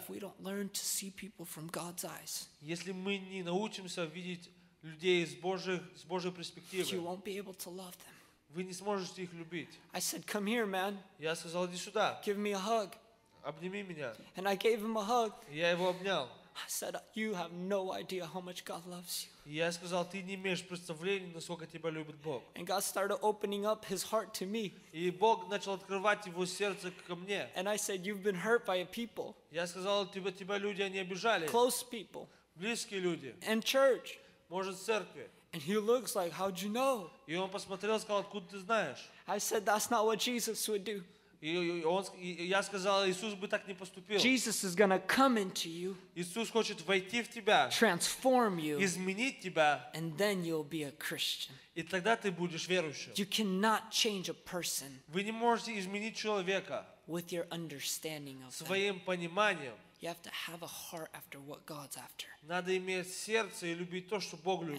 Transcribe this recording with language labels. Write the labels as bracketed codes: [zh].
[en] if we don't learn to see people from God's eyes, [ru] если мы не научимся видеть людей с Божьей перспективы, [en] you won't be able to love them. [ru] Вы не сможете их любить. [en] I said, come here, man. [ru] Я сказал, иди сюда. [en] Give me a hug. [ru] Обними меня. [en] And I gave him a hug. [ru] Я его обнял. [en] I said, you have no idea how much God loves you. [ru] Я сказал, ты не имеешь представления, насколько тебя любит Бог. [en] And God started opening up His heart to me. [ru] И Бог начал открывать его сердце ко мне. [en] And I said, you've been hurt by people. [ru] Я сказал, тебя люди не обижали. [en] Close people. [ru] Близкие люди. [en] And church. [ru] Может, церкви. [en] And he looks like, how'd you know? [ru] И он посмотрел, сказал, откуда ты знаешь? [en] I said, that's not what Jesus would do. [ru] И я сказал, Иисус бы так не поступил. [en] Jesus is gonna come into you, [ru] Иисус хочет войти в тебя, [en] transform you, [ru] изменить тебя, [en] and then you'll be a Christian. [ru] И тогда ты будешь верующим. [en] You cannot change a person. [ru] Вы не можете изменить человека [en] with your understanding of [ru] своим [en] them. [ru] Пониманием. [en] You have to have a heart after what God's after. [ru] Надо иметь сердце и любить то, что Бог любит.